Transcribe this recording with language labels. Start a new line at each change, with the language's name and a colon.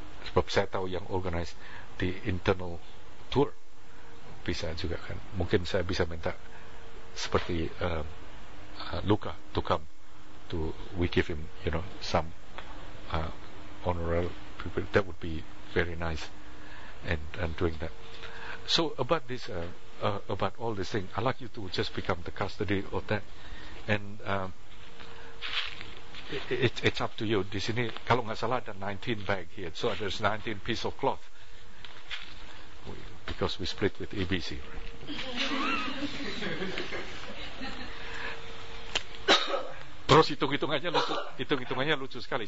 Indonesian: Sebab saya tahu yang
English: organize the internal tour
Indonesian: bisa juga kan. Mungkin saya bisa minta seperti
English: Luca to come, to we give him, you know, some honorary people. That would be very nice, and doing that. So about this, about all this thing, I like you to just become the custody of that, and It's up to you.
Indonesian: Di sini kalau nggak salah ada
English: 19 bag here, so there's 19 piece of cloth because we split with ABC, right?
Indonesian: Terus hitung-hitungannya lucu sekali.